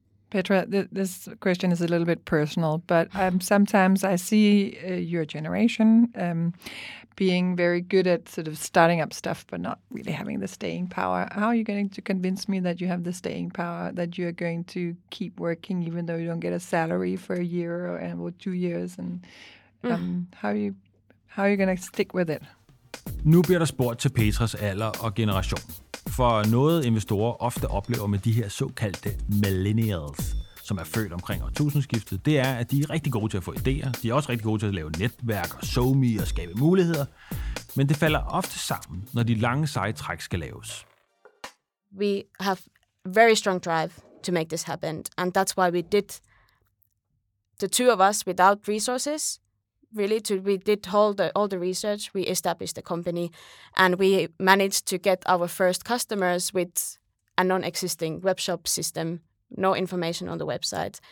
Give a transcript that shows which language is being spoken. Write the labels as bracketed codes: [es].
[en] Petra, this question is a little bit personal, but sometimes I see your generation being very good at sort of starting up stuff, but not really having the staying power. How are you going to convince me that you have the staying power, that you're going to keep working even though you don't get a salary for a year or 2 years? And how are you going to stick with it? [da] Nu bliver der spurgt til Petras alder og generation. For noget investorer ofte oplever med de her såkaldte millennials, som er født omkring årtusindskiftet, det er, at de er rigtig gode til at få idéer, de er også rigtig gode til at lave netværk og SoMe og skabe muligheder, men det falder ofte sammen, når de lange seje træk skal laves. [en] We have very strong drive to make this happen, and that's why we did the two of us without resources. Really, we did all the research, we established the company, and we managed to get our first customers with a non-existing webshop system, no information on the website.